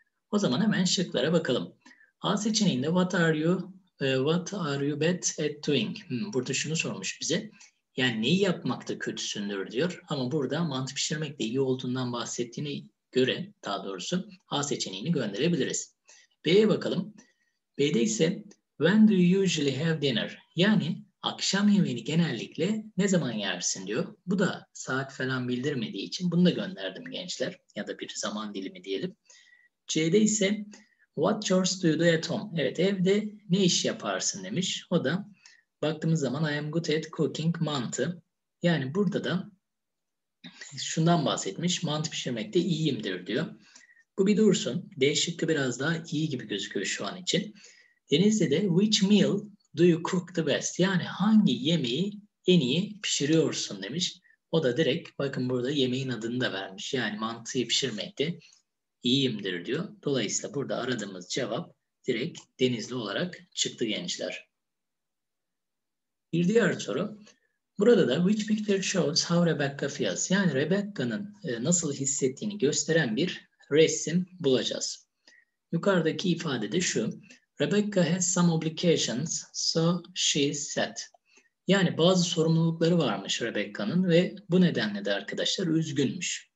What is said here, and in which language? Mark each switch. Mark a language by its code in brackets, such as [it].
[tr] O zaman hemen şıklara bakalım. A seçeneğinde [en] what are you bad at doing? [tr] Burada şunu sormuş bize. Yani neyi yapmakta kötüsündür diyor. Ama burada mantı pişirmekte iyi olduğundan bahsettiğine göre daha doğrusu A seçeneğini gönderebiliriz. B'ye bakalım. B'de ise [en] when do you usually have dinner? [tr] Yani akşam yemeğini genellikle ne zaman yersin diyor. Bu da saat falan bildirmediği için bunu da gönderdim gençler. Ya da bir zaman dilimi diyelim. C'de ise [en] what chores do you do at home? [tr] Evet, evde ne iş yaparsın demiş. O da baktığımız zaman [en] I am good at cooking mantı. [tr] Yani burada da şundan bahsetmiş. Mantı pişirmekte iyiyimdir diyor. Bu bir dursun. D şıkkı biraz daha iyi gibi gözüküyor şu an için. Denizli'de [en] which meal do you cook the best? [tr] Yani hangi yemeği en iyi pişiriyorsun demiş. O da direkt bakın burada yemeğin adını da vermiş. Yani mantıyı pişirmekte iyiyimdir diyor. Dolayısıyla burada aradığımız cevap direkt Denizli olarak çıktı gençler. Bir diğer soru. Burada da [en] which picture shows how Rebecca feels? [tr] Yani Rebecca'nın nasıl hissettiğini gösteren bir resim bulacağız. Yukarıdaki ifade de şu. [en] Rebecca has some obligations, so she is sad. [tr] Yani bazı sorumlulukları varmış Rebecca'nın ve bu nedenle de arkadaşlar üzgünmüş.